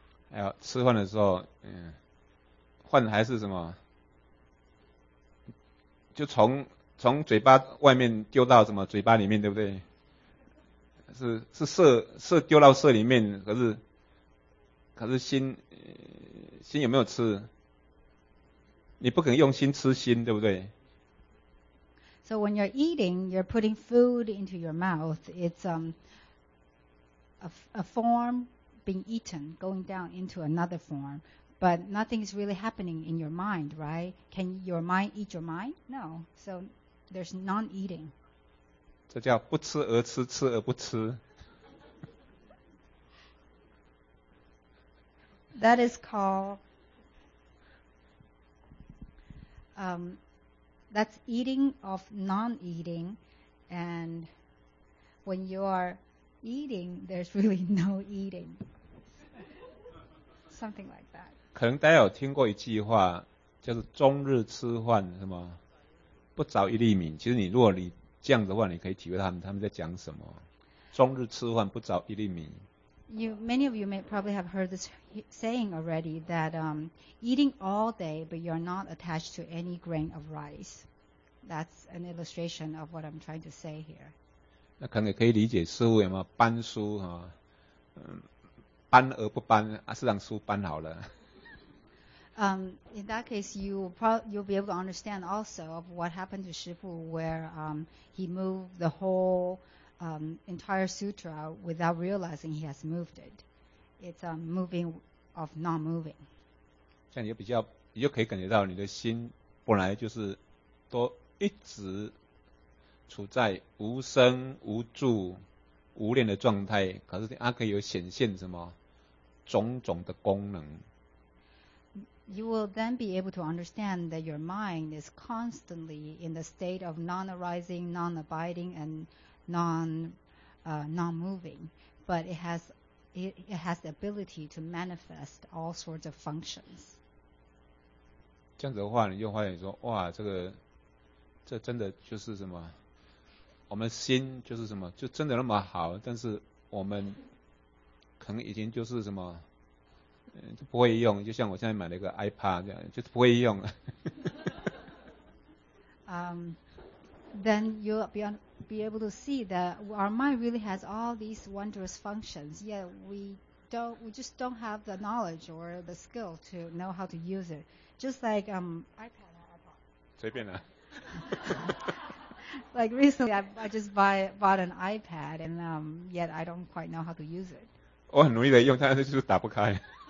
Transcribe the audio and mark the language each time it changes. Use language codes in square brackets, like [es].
[zh] 还有吃饭的时候，饭还是什么，就从嘴巴外面丢到什么嘴巴里面，对不对？是色丢到色里面，可是心有没有吃？你不可能用心吃心，对不对？ [en] So when you're eating, you're putting food into your mouth. It's a form being eaten, going down into another form, but nothing is really happening in your mind, right? Can your mind eat your mind? No. So there's non-eating. [zh] 这叫不吃而吃，吃而不吃。 [en] That is called, that's eating of non-eating, and when you areeating, there's really no eating. Something like that. [zh] 可能大家有听过一句话，就是终日吃饭什么，不着一粒米。其实如果你这样的话，你可以体会他们在讲什么。终日吃饭不着一粒米。 [en] Many of you may probably have heard this saying already that eating all day, but you're not attached to any grain of rice. That's an illustration of what I'm trying to say here. [zh] 那可能也可以理解师父有没有搬书哈、搬而不搬啊，是让书搬好了。 [en] In that case, you'll be able to understand also of what happened to 师父 where he moved the whole entire sutra without realizing he has moved it. It's a moving of not moving. [zh] 这样你就可以感觉到你的心本来就是都一直。处在无声无住无念的状态，可是它可以有显现什么种种的功能。 [en] you will then be able to understand that your mind is constantly in the state of non-arising, non-abiding, and non-moving. But it has the ability to manifest all sorts of functions. [zh] 这样子的话，你用华语说，哇，这真的就是什么？我们心就是什么？就真的那么好？但是我们可能已经就是什么？就不会用，就像我现在买了一个 iPad 这样，就是不会用。 [en] then you'll be able to see that our mind really has all these wondrous functions. Yet we just don't have the knowledge or the skill to know how to use it. Just like iPad or iPod. [zh] 随便啦。 [en] Like recently, I just bought an iPad, and yet I don't quite know how to use it. [zh] 我很努力的用，但是就是打不开。